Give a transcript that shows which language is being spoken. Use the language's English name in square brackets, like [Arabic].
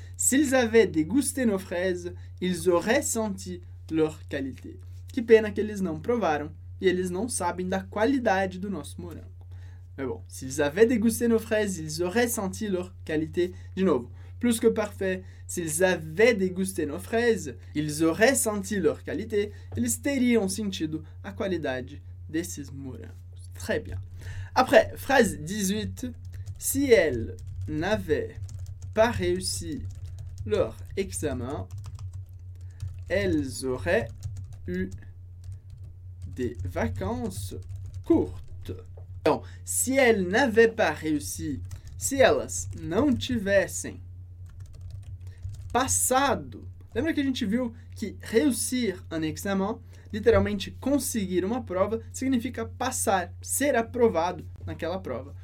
[French] S'ils avaient dégusté nos fraises, ils auraient senti leur qualité. [Portuguese] Que pena que eles não provaram e eles não sabem da qualidade do nosso morango. Mas bom, [French] s'ils avaient dégusté nos fraises, ils auraient senti leur qualité. [Portuguese] De novo, [French] plus que parfait, s'ils avaient dégusté nos fraises, ils auraient senti leur qualité. [Portuguese] Eles teriam sentido a qualidade desses morangos. [French] Très bien. Après, phrase 18. Si elle n'avait pas réussi leur examen, elles auraient eu des vacances courtes. [Portuguese] Então, [French] si elles n'avaient pas réussi, [Portuguese] si elas não tivessem passado. Lembra que a gente viu que [French] réussir un examen, [Portuguese] literalmente conseguir uma prova, significa passar, ser aprovado naquela prova.